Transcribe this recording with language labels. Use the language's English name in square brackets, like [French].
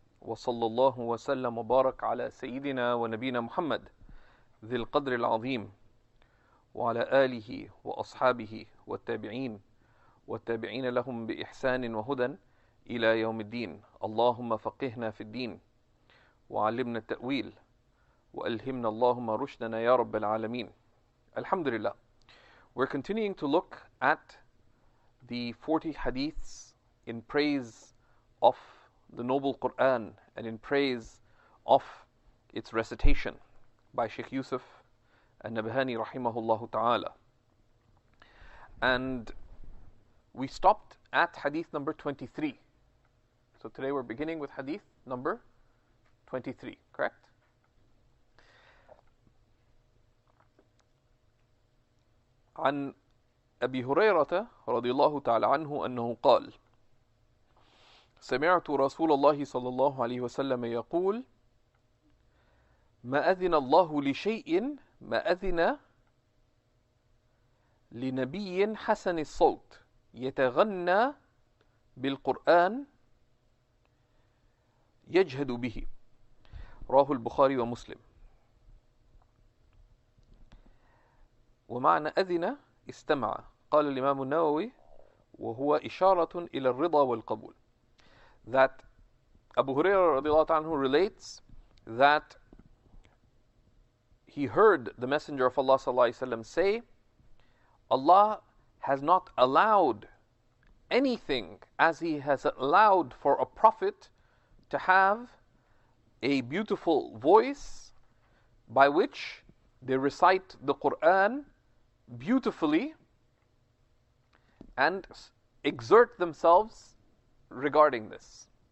[Arabic] وصلى الله وسلم وبارك على سيدنا ونبينا محمد ذي القدر العظيم وعلى آله وأصحابه والتابعين والتابعين لهم بإحسان وهدى إلى يوم الدين. اللهم فقهنا في الدين وعلمنا التأويل وألهمنا اللهم رشدنا يا رب العالمين. الحمد لله. [English] We're continuing to look at the 40 hadiths in praise of the noble Qur'an and in praise of its recitation by Sheikh Yusuf al-Nabahani rahimahullahu ta'ala. And we stopped at hadith number 23. So today we're beginning with hadith number 23, correct? [Arabic] عن أبي هريرة رضي الله تعالى عنه أنه قال سمعت رسول الله صلى الله عليه وسلم يقول ما أذن الله لشيء ما أذن لنبي حسن الصوت يتغنى بالقرآن يجهد به رواه البخاري ومسلم ومعنى أذن استمع قال الإمام النووي وهو إشارة إلى الرضا والقبول. [English] That Abu Huraira radiallahu ta'ala anhu relates that he heard the Messenger of Allah sallallahu alayhi wa sallam say, Allah has not allowed anything as he has allowed for a prophet to have a beautiful voice by which they recite the Qur'an beautifully and exert themselves regarding this.